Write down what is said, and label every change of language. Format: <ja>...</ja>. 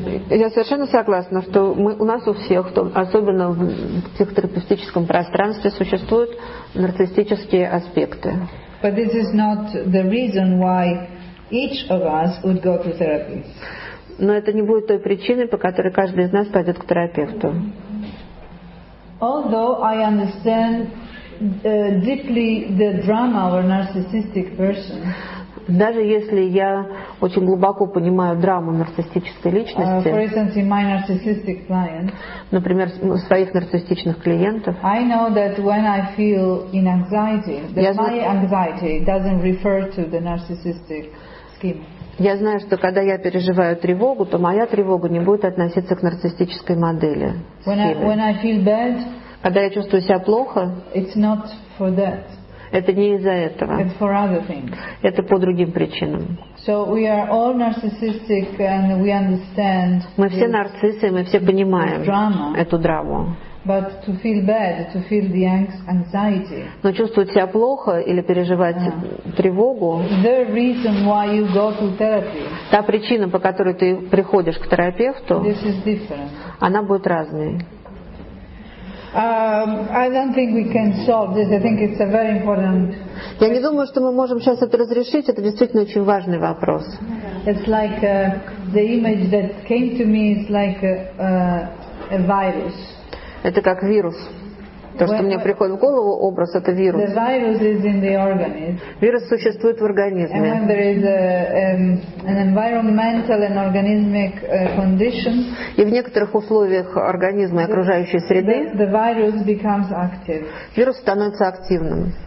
<ru>Я совершенно согласна, что у нас у всех, особенно в психотерапевтическом пространстве, существуют нарциссические аспекты.</ru> <en>But this is not the reason why each of us would go to therapy.</en> <ru>Но это не будет той причиной, по которой каждый из нас пойдет к терапевту.</ru> <en>Although I understand deeply the drama of a narcissistic person.</en> <ru>Даже если я очень глубоко понимаю драму нарциссической личности,</ru> <en>for instance, in my narcissistic client,</en> <ru>например, своих нарциссичных клиентов,</ru> <en>I know that when I feel in anxiety, that my anxiety doesn't refer to the narcissistic scheme.</en> <ru>Я знаю, что когда я переживаю тревогу, то моя тревога не будет относиться к нарциссической модели.</ru> <en>When I feel bad,</en> <ru>когда я чувствую себя плохо,</ru> <en>it's not for that.</en> <ru>Это не из-за этого.</ru> <en>It's for other things.</en> <ru>Это по другим причинам.</ru> <en>So we are all narcissistic and we understand.</en> <ru>Мы все нарциссы, мы все понимаем эту драму.</ru> <en>But to feel bad, to feel the anxiety.</en> <ru>Но чувствовать себя плохо или переживать тревогу.</ru> <en>The reason why you go to therapy.</en> <ru>Та причина, по которой ты приходишь к терапевту.</ru> <en>This is different.</en> <ru>Она будет разной.</ru> <en>I don't think we can solve this. I think it's a very important.</en> <ru>Я не думаю, что мы можем сейчас это разрешить. Это действительно очень важный вопрос.</ru> <en>It's like the image that came to me is like a virus.</en> <ru>Это как вирус. То, что мне приходит в голову, образ, это вирус.</ru> <en>The virus is in the organism.</en> <ru>Вирус существует в организме.</ru> <en>And when there is an environmental and organismic condition,</en> <ru>и в некоторых условиях организма и окружающей среды,</ru> <en>the virus becomes active.</en> <ru>Вирус становится активным.</ru>